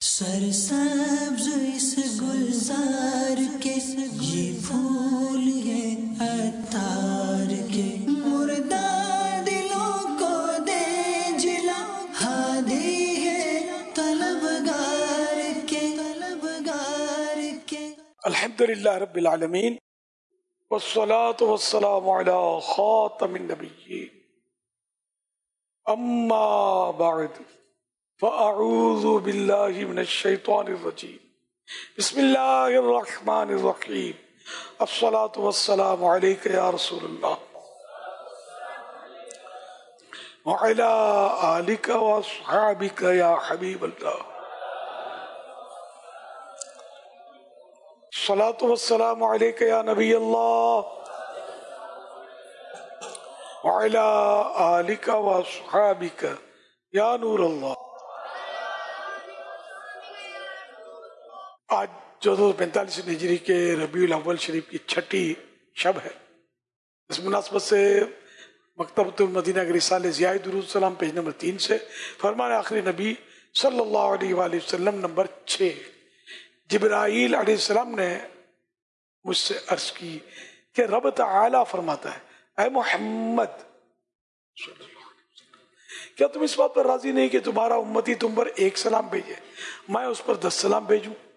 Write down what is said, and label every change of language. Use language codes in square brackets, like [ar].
[ur] سرسبز اس گلزار کے یہ پھول ہے عطار کے مردہ دلوں کو دے جلا ہادی ہے طلبگار کے طلبگار کے [ar] الحمدللہ رب العالمین والصلاة والسلام علی خاتم النبیین اما بعد فأعوذ بالله من الشيطان الرجيم بسم الله الرحمن الرحيم الصلاة والسلام عليك يا رسول الله وعلى آلك وأصحابك يا حبيب الله الصلاة والسلام عليك يا نبي الله وعلى آلك وأصحابك يا نور الله. [ur] آج 1445 ہجری کے ربیع الاول شریف کی چھٹی شب ہے. اس مناسبت سے مکتبۃ المدینہ کے رسالے ضیاء درود السلام پیج نمبر 3 سے فرمان آخری نبی صلی اللہ علیہ وآلہ وسلم نمبر 6 جبرائیل علیہ السلام نے مجھ سے عرض کی کہ رب تعالیٰ فرماتا ہے اے محمد صلی اللہ علیہ وسلم کیا تم اس بات پر راضی نہیں کہ تمہارا امتی تم پر ایک سلام بھیجے میں اس پر 10 سلام بھیجوں.